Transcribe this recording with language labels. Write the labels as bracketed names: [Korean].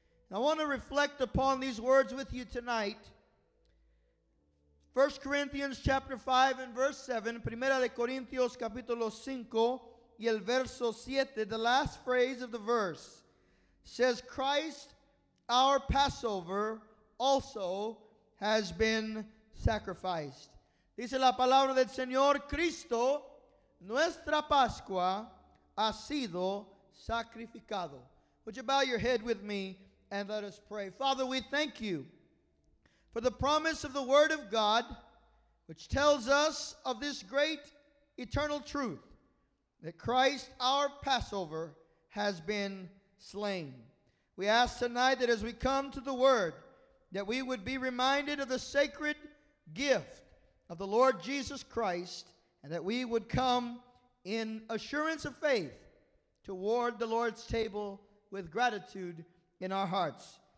[English] I want to reflect upon these words with you tonight. 1 Corinthians chapter 5 and verse 7. [Spanish] Primera de Corintios capítulo 5 y el verso 7. [English] The last phrase of the verse says, Christ, our Passover, also has been sacrificed. [Spanish] Dice la palabra del Señor, Cristo, nuestra Pascua, ha sido sacrificado. [English] Would you bow your head with me? And let us pray. Father, we thank you for the promise of the Word of God, which tells us of this great eternal truth, that Christ, our Passover, has been slain. We ask tonight that as we come to the Word, that we would be reminded of the sacred gift of the Lord Jesus Christ, and that we would come in assurance of faith toward the Lord's table with gratitude in our hearts.